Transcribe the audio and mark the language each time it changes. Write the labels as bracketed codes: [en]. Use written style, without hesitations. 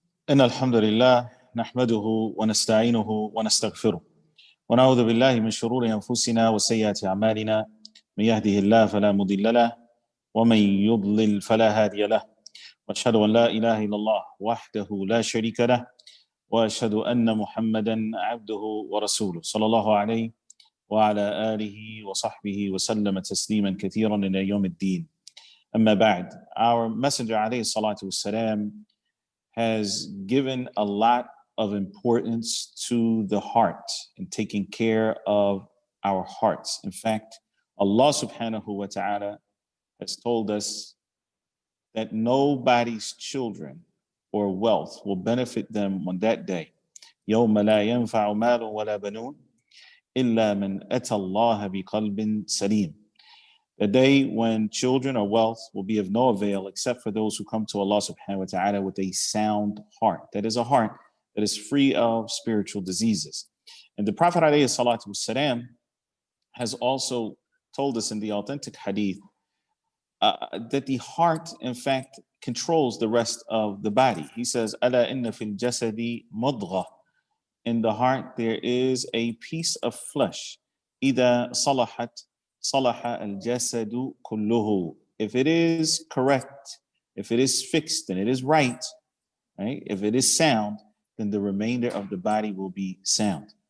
[ar] إن الحمد لله نحمده ونستعينه ونستغفره ونعوذ بالله من شرور أنفسنا وسيئات أعمالنا من يهده الله فلا مضل له ومن يضلل فلا هادي له وأشهد أن لا إله إلا الله وحده لا شريك له وأشهد أن محمدا عبده ورسوله صلى الله عليه وعلى آله وصحبه وسلم تسليما كثيرا إلى يوم الدين. أما بعد, [en] our messenger عليه الصلاة والسلام has given a lot of importance to the heart and taking care of our hearts. In fact, Allah subhanahu wa ta'ala has told us that nobody's children or wealth will benefit them on that day. [ar] يَوْمَ لَا يَنْفَعُ مَالٌ وَلَا بَنُونَ إِلَّا مَنْ أَتَى اللَّهَ بِقَلْبٍ سَلِيمٍ. [en] A day when children or wealth will be of no avail except for those who come to Allah subhanahu wa ta'ala with a sound heart. That is a heart that is free of spiritual diseases. And the Prophet alayhi salatu wasalam has also told us in the authentic hadith that the heart, in fact, controls the rest of the body. He says, [ar] أَلَا إِنَّ فِي الْجَسَدِ مُضْغَةٌ. [en] In the heart, there is a piece of flesh. [ar] إِذَا صَلَحَتْ صلح الجسد كله. [en] If it is correct, if it is fixed, then it is right, if it is sound, then the remainder of the body will be sound.